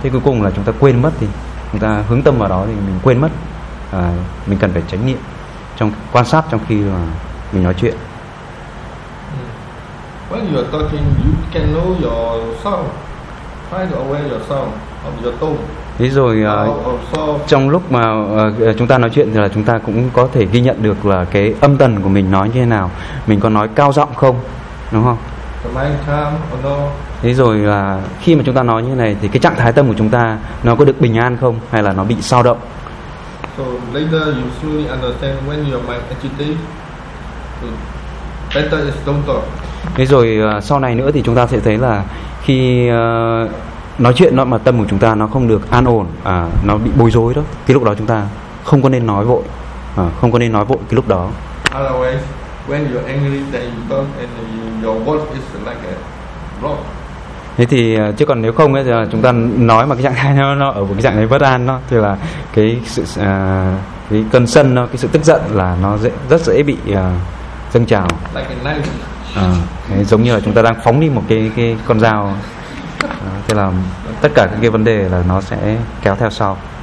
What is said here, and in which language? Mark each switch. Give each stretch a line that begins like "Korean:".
Vietnamese: Thế cuối cùng là chúng ta quên mất đi, chúng ta hướng tâm vào đó thì mình quên mất. Mình cần phải chánh niệm trong quan sát trong khi mà mình nói chuyện.
English: When you are talking, you can know your sound. Try to aware your sound of your tone.
Vietnamese: Thế rồi trong lúc mà chúng ta nói chuyện thì là chúng ta cũng có thể ghi nhận được là cái âm tần của mình nói như thế nào. Mình có nói cao giọng không, đúng không?
English: The mind calm or no?
Vietnamese: Thế rồi là khi mà chúng ta nói như thế này thì cái trạng thái tâm của chúng ta nó có được bình an không hay là nó bị sao động?
English: So later you slowly understand when your mind agitated. Better is don't talk.
Vietnamese: Thế rồi sau này nữa thì chúng ta sẽ thấy là khi nói chuyện nó mà tâm của chúng ta nó không được an ổn, nó bị bối rối đó, cái lúc đó chúng ta không có nên nói vội, không có nên nói vội cái lúc đó.
English: Otherwise, when you're angry, then you talk and your voice is like a rock.
Vietnamese: Thế thì chứ còn nếu không ấy, thì chúng ta nói mà cái trạng thái nó ở một cái trạng thái bất an đó, thì là cái sự cái cơn sân nó, cái sự tức giận là nó dễ, rất dễ bị dâng trào.
English: Like a knife.
Vietnamese: Giống như là chúng ta đang phóng đi một cái con dao, thế là tất cả các cái vấn đề là nó sẽ kéo theo sau.